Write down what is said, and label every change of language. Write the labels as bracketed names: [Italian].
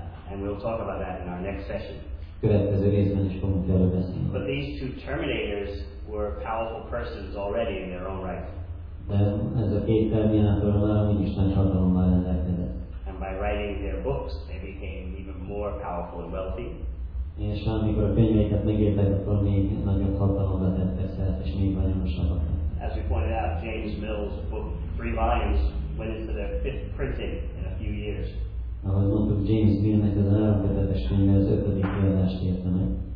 [English] And we'll talk about that in our next session. [Hungarian] Következő részben is fogunk erről beszélni. [English] But these two terminators were powerful persons already in their own right. [Hungarian] De ez a két terminátor már mind is nagy hatalommal rendelkezett. [English] And by writing their books, they became even more powerful and wealthy. [Hungarian] És amikor a könyveket megírták, akkor még nagyobb hatalomra tettek szert, és még vagyonosabbak. [English] As we pointed out, James Mill's book, three volumes, went into their fifth printing in a few years. [Hungarian] Ahogy mondtuk, James Mill-nek az áramkötetes könyve az ötödik kiadást érte meg.